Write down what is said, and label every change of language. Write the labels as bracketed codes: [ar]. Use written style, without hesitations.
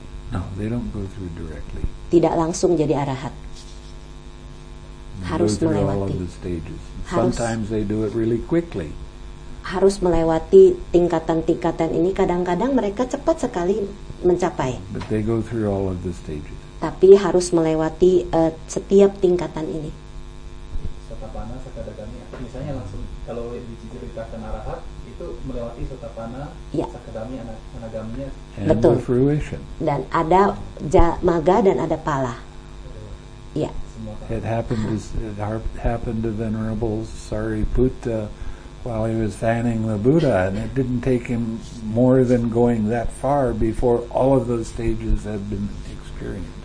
[en] No, they don't go through directly. [id] Tidak langsung jadi arahat. Harus melewati. [en] Sometimes they do it really quickly. [id] Harus melewati tingkatan-tingkatan ini, kadang-kadang mereka cepat sekali mencapai. [en] But they go through all of the stages. [id] Tapi harus melewati setiap tingkatan ini. Sotapanna sakadagami, misalnya langsung kalau diceritakan arahat itu melewati sotapanna, [en] yeah, [id] sakadagami, anagaminya. [en] And [id] betul. [en] The fruition. [id] Dan ada maga dan ada pala. Ya. [en] Yeah. It happened to Venerable Sariputta while he was fanning the Buddha, and it didn't take him more than going that far before all of those stages had been experienced.